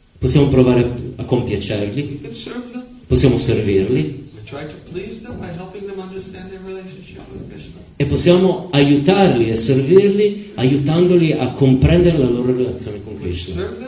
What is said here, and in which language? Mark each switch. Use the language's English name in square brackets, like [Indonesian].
[Italian] Possiamo provare a compiacerli. [English] We can serve them. [Italian] Possiamo servirli. [English] We try to please them by helping them understand their relationship with Krishna. [Italian] E possiamo aiutarli e servirli aiutandoli a comprendere la loro relazione con Krishna.